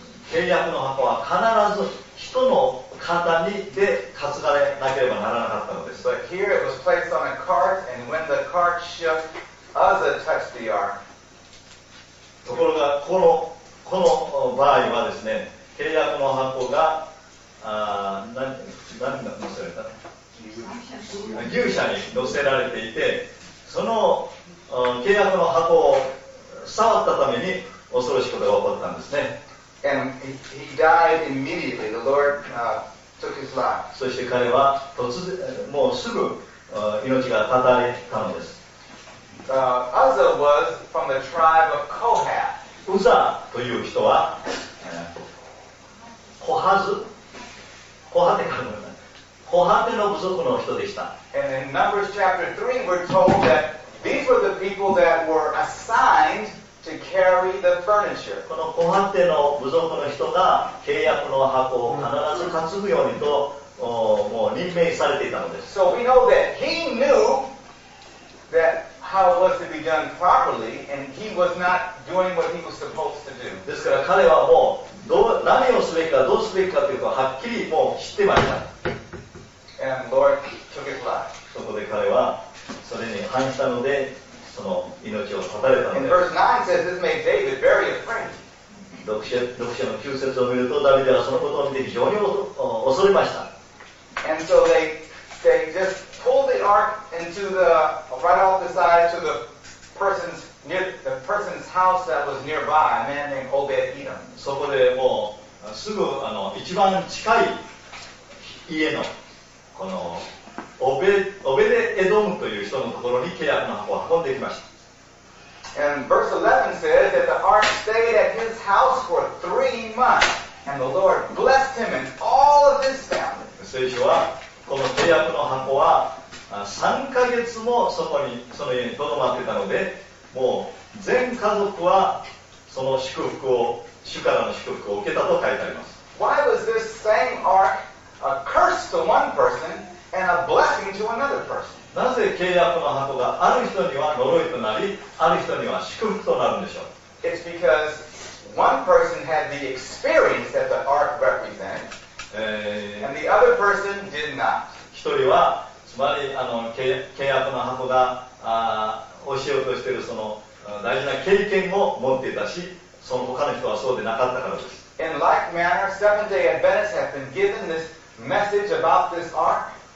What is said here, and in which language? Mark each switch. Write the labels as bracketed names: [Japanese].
[Japanese] 契約の箱は必ず人の肩にで担がれなければならなかったのです。 [English] But here it was placed on a cart, and when the cart shook, Uzzah touched the ark. [Japanese] ところがこの場合はですね、契約の箱が牛車に乗せられていて、その契約の箱を触ったために恐ろしいことが起こったんですね。 [English] And he died immediately. The Lord took his life. [Japanese] そして彼は突然もうすぐ命が絶たれたのです。 [English] Uzzah was from the tribe of Kohath. [Japanese] ウザという人は、コハズ、コハテかのような、コハテの部族の人でした。 [English] And in Numbers chapter 3, we're told that these were the people that were assigned. To carry the furniture. [Japanese] このコハテの部族の人が契約の箱を必ず担ぐようにと、もう任命されていたのです。 [English] So we know that he knew that how it was to be done properly, and he was not doing what he was supposed to do. [Japanese] ですから彼はもう何をすべきかどうすべきかというのをはっきりもう知ってました。 [English] And Lord took his life. [Japanese] そこで彼はそれに反したので。その命を絶たれたのです。 [English] And verse 9 says this made David very afraid. [Japanese] 読書の9節を見るとダビデはそのことを見て非常に恐れました。 [English] And so they just pulled the ark into the right off the side to the person's house that was nearby, a man named Obed Edom. [Japanese] そこでもうすぐ一番近い家のこのオベデエドムという人のところに契約の箱を運んできました。 [English] And verse 11 says that the ark stayed at his house for three months, and the Lord blessed him and all of his family. [Japanese] 聖書はこの契約の箱は3ヶ月もその家に留まっていたので、もう全家族はその祝福を主からの祝福を受けたと書いてあります。 [English] Why was this same ark a curse to one person? And a blessing to another person. [Japanese] なぜ契約の箱がある人には呪いとなり、ある人には祝福となるんでしょう。 [English] It's because one person had the experience that the ark represents, and the other person did not. [Japanese] 一人はつまり契約の箱が教えようとしているその大事な経験を持っていたし、その他の人はそうでなかったからです。 [English] In like manner, Seventh-day Adventists have been given this message about this ark.